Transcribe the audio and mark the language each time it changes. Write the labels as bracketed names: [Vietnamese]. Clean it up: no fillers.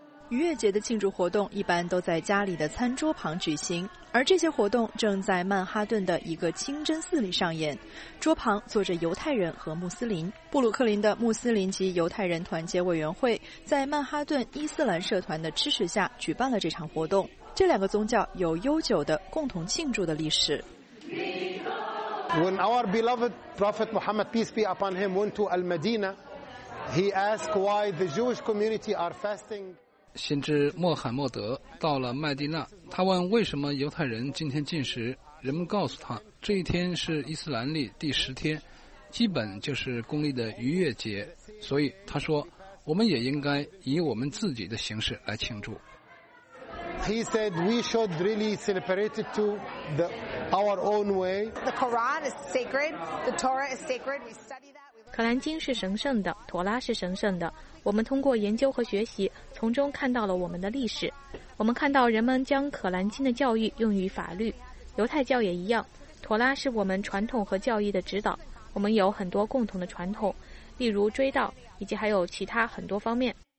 [Chinese] 逾越节的庆祝活动一般都在家里的餐桌旁举行，而这些活动正在曼哈顿的一个清真寺里上演，桌旁坐着犹太人和穆斯林。布鲁克林的穆斯林及犹太人团结委员会在曼哈顿伊斯兰社团的支持下举办了这场活动，这两个宗教有悠久的共同庆祝的历史。 [English] When our beloved Prophet Muhammad, peace be upon him, went to Al-Madinah, he asked why the Jewish community are fasting. [Chinese] 先知穆罕默德到了麦地那，他问为什么犹太人今天禁食，人们告诉他这一天是伊斯兰历第十天，基本就是公历的逾越节，所以他说我们也应该以我们自己的形式来庆祝。 [English] He said we should really celebrate it to the our own way. The Quran is sacred. The Torah is sacred. We study that. [Chinese] 可兰经是神圣的，陀拉是神圣的。我们通过研究和学习，从中看到了我们的历史。我们看到人们将可兰经的教育用于法律，犹太教也一样。陀拉是我们传统和教育的指导。我们有很多共同的传统，例如追悼，以及还有其他很多方面。